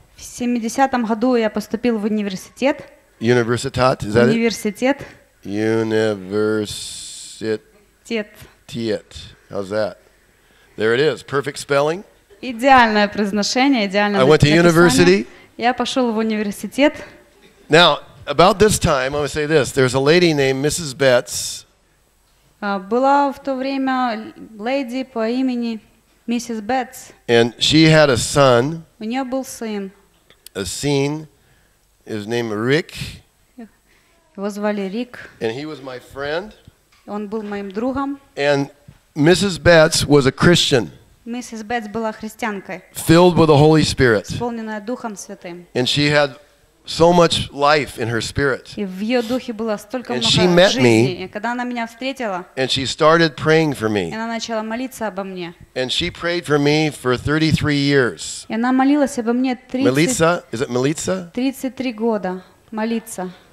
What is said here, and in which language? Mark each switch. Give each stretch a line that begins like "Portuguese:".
Russian: В 70-м году я поступил в университет.
English: Universitat, is that it?
Russian: Университет.
English: Universitet. Tiet. How's that? There it is. Perfect spelling.
Russian: Идеальное произношение, идеальное написание.
English: I went to university.
Russian: Я пошёл в университет.
English: Now, about this time, I would say this. There's a lady named Mrs. Betts.
Russian: Была в то время леди по имени Миссис Бетс.
English: And she had a son.
Russian: У неё был сын.
English: A son. His name is Rick.
Russian: Его звали Рик.
English: And he was my friend.
Russian: Он был моим другом.
English: And Mrs. Betts was a Christian.
Russian: Миссис Бетс была христианкой.
English: Filled with the Holy Spirit.
Russian: Исполненная Духом Святым.
English: And she had so much life in her spirit.
Russian: И в её духе было столько много жизни.
English: And she met me.
Russian: Когда она меня встретила.
English: And she started praying for me.
Russian: И она начала молиться обо мне.
English: And she prayed for me for 33 years.
Russian: И она молилась обо мне 30.
English: Melissa, is it Melissa?
Russian: 33 года молиться.